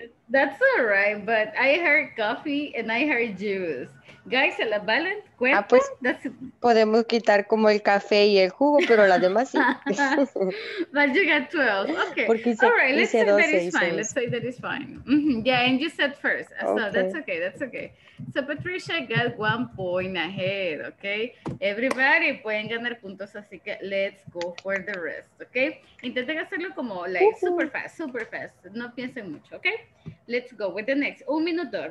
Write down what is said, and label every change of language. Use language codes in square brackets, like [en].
[en] That's all right, but I heard coffee and I heard juice. [es] Guys, ¿se la valen? ¿Cuenta? Ah, pues, podemos quitar como el café y el jugo, pero las demás sí. [en] But you got 12. Okay. [es] Porque hice, [en] all right, let's say 12, that is fine. Let's say that is fine. Mm-hmm. Yeah, and you said first. So okay. That's okay. So Patricia got 1 point ahead, okay? Everybody [es] pueden ganar puntos, así que [en] let's go for the rest, okay? [es] Intenten hacerlo como, [en] like, super fast. [es] No piensen mucho, okay? [en] Let's go with the next. [es] 1 minuto.